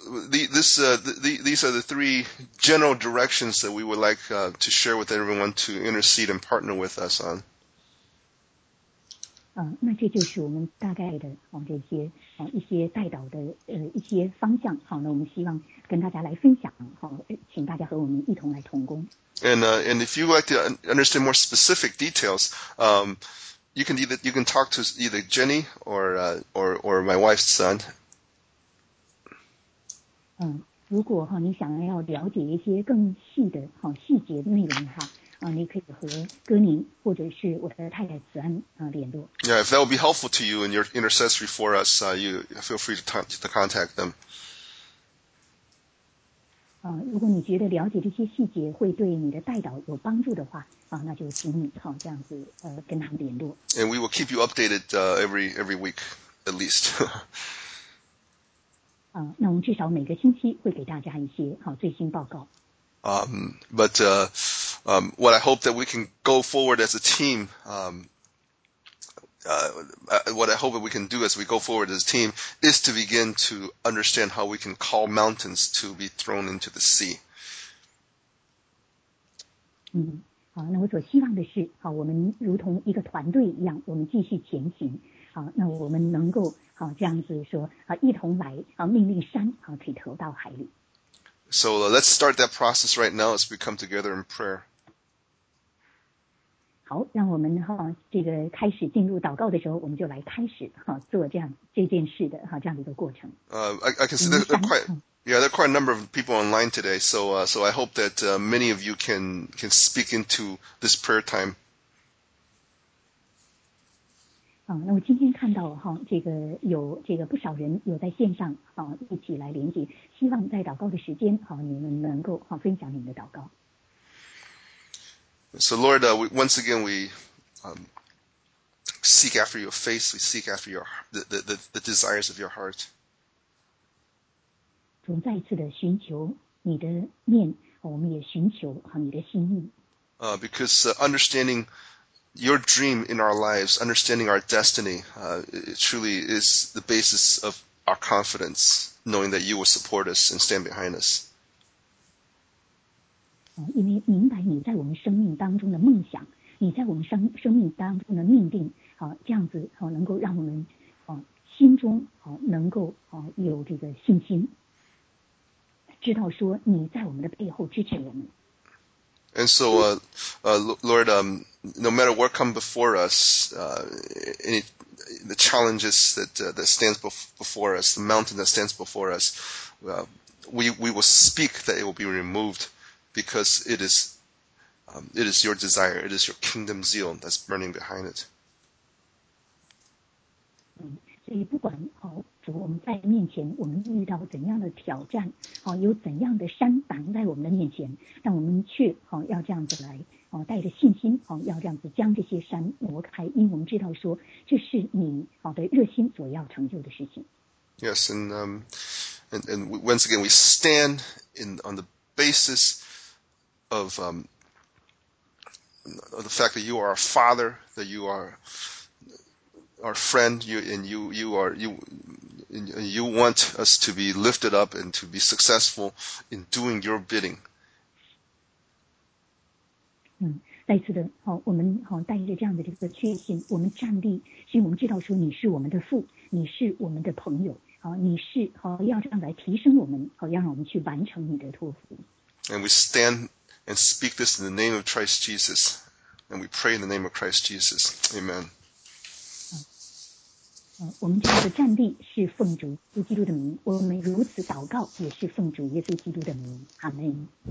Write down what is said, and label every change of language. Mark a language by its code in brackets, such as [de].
[en] These are the three general directions that we would like to share with everyone to intercede and partner with us on. [zh] 那这就是我们大概的这些一些代祷的一些方向。好，那我们希望跟大家来分享。好，请大家和我们一同来同工。 [en] And if you'd like to understand more specific details, you can talk to either Jenny or my wife's son. [zh] 如果你想要了解一些更细的细节的内容哈。 [en] Yeah, if that would be helpful to you and your intercessory for us, you feel free to contact them. [zh] 如果你觉得了解这些细节会对你的代祷有帮助的话，那就请你这样子跟他们联络。 [en] And we will keep you updated every week at least. [zh] 那我们至少每个星期会给大家一些最新报告。 [en] What I hope that we can go forward as a team, what I hope that we can do as we go forward as a team is to begin to understand how we can call mountains to be thrown into the sea. [zh] 好，那我所希望的是，好，我们如同一个团队一样，我们继续前行。好，那我们能够，好，这样子说，好，一同来，好，命令山，好，可以投到海里。 [en] So let's start that process right now as we come together in prayer. [zh] 好，让我们这个开始进入祷告的时候，我们就来开始做这样这件事的这样的一个过程。 [en] I can see there are quite a number of people online today, so I hope that many of you can speak into this prayer time. [zh] 那我今天看到这个有这个不少人有在线上一起来连接，希望在祷告的时间你们能够分享你们的祷告。 [en] So Lord, once again we seek after your face, we seek after your the desires of your heart. [zh] 从再次的寻求你的面，我们也寻求你的心意。 [en] Because understanding your dream in our lives, understanding our destiny, it truly is the basis of our confidence, knowing that you will support us and stand behind us. [zh] 因为明白你在我们生命当中的梦想，你在我们生命当中的命定，这样子能够让我们心中能够有这个信心，知道说你在我们的背后支持我们。 [en] And so, Lord, no matter what comes before us, the challenges that stands before us, the mountain that stands before us, we will speak that it will be removed because it is your desire, it is your kingdom zeal that's burning behind it. [zh] 所以不管主我们在面前，我们遇到怎样的挑战，有怎样的山挡在我们的面前，但我们却要这样子来，带着信心，要这样子将这些山挪开，因为我们知道说这是你的热心所要成就的事情。 [en] Yes, and once again we stand on the basis of the fact that you are our Father, that you are our friend, you want us to be lifted up and to be successful in doing your bidding. [zh] 再次的，我们带着这样的这个确信，我们站立，是我们知道说你是我们的父，你是我们的朋友，你是要这样来提升我们，让我们去完成你的托付。 [en] And we stand and speak this in the name of Christ Jesus, and we pray in the name of Christ Jesus. Amen. [zh] 我们这样的站立是奉主耶稣基督的名，我们如此祷告也是奉主耶稣基督的名，阿门。